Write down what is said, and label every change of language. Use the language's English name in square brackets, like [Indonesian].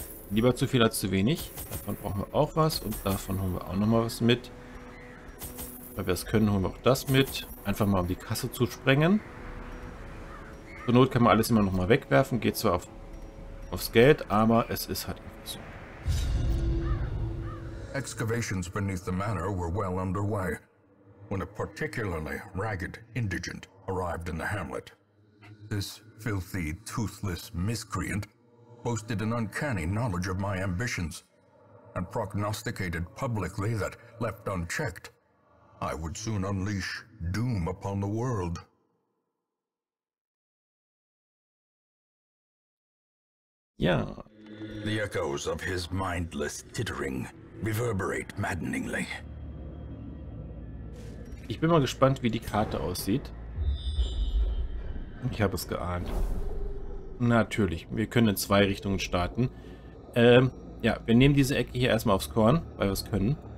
[German] Lieber zu viel als zu wenig. Davon brauchen wir auch was. Und davon holen wir auch noch mal was mit. Weil wir es können, holen wir auch das mit. Einfach mal um die Kasse zu sprengen. Zur Not kann man alles immer noch mal wegwerfen. Geht zwar aufs Geld, aber es ist halt so. [English] Excavations beneath the manor were well underway, when a particularly ragged indigent arrived in the hamlet. This filthy, toothless miscreant boasted an uncanny knowledge of my ambitions and prognosticated publicly that, left unchecked, I would soon unleash doom upon the world. Yeah. The echoes of his mindless tittering reverberate maddeningly. [German] Ich bin mal gespannt, wie die Karte aussieht. Ich habe es geahnt. Natürlich, wir können in zwei Richtungen starten. Ja, wir nehmen diese Ecke hier erstmal aufs Korn, weil wir es können.